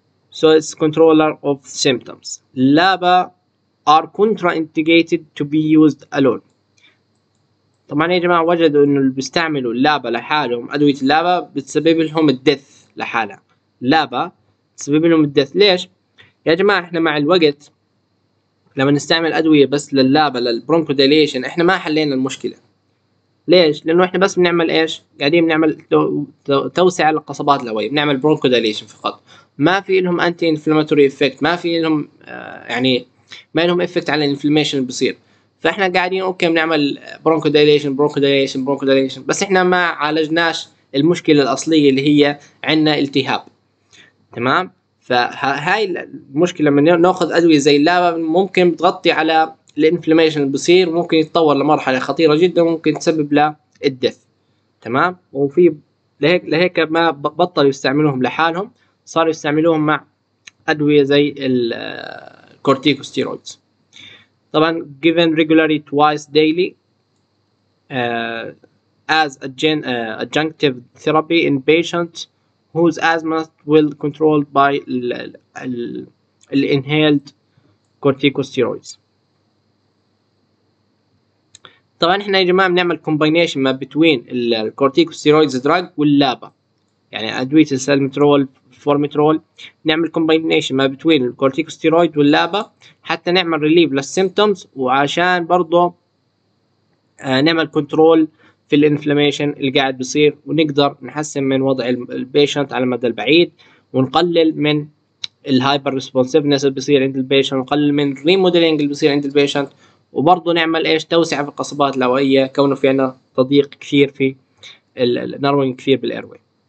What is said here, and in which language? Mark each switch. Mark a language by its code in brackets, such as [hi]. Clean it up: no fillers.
[en] So it's controller of symptoms. LABA are contraindicated to be used alone. [ar] طبعا يا جماعة وجدوا انه اللي بيستعملوا LABA لحالهم, ادوية LABA بتسبب لهم الدث لحالها. LABA تسبب لهم الدث, ليش؟ يا جماعة احنا مع الوقت لما نستعمل ادوية بس للLABA للبرونكوديليشن احنا ما حلينا المشكلة. ليش؟ لانه احنا بس بنعمل ايش؟ قاعدين بنعمل توسع للقصبات الهوائية, بنعمل برونكوديليشن فقط. ما في لهم انتي انفلاماتوري افكت, ما في لهم يعني ما لهم افكت على الانفلاميشن اللي بصير. فاحنا قاعدين اوكي بنعمل برونكوديليشن برونكوديليشن برونكوديليشن, بس احنا ما عالجناش المشكله الاصليه اللي هي عندنا التهاب, تمام. فهاي المشكله من ناخذ ادويه زي اللابا ممكن تغطي على الانفلاميشن اللي بصير, ممكن يتطور لمرحله خطيره جدا, ممكن تسبب للدث, تمام. وفي لهيك ما بطلوا يستعملوهم لحالهم, صاروا يستعملوهم مع أدوية زي الكورتيكوستيرويدز. طبعا [en] given regularly twice daily as adjunctive therapy in patients whose asthma will controlled by ال inhaled corticosteroids. [ar] طبعا احنا يا جماعة بنعمل combination ما between الكورتيكوستيرويدز drug واللابا, يعني ادويه السالمترول فورميترول، نعمل كومباينيشن ما بين الكورتيكوستيرويد واللابا حتى نعمل ريليف للسيمتومز، وعشان برضه نعمل كنترول في الانفلاميشن اللي قاعد بيصير، ونقدر نحسن من وضع البيشنت على المدى البعيد، ونقلل من الهايبر ريسبونسيفنس اللي بيصير عند البيشنت، ونقلل من الريموديلنج اللي بيصير عند البيشنت، وبرضه نعمل ايش توسعه في القصبات الهوائيه كونه في عندنا تضييق كثير في النارونج كثير بالايروي.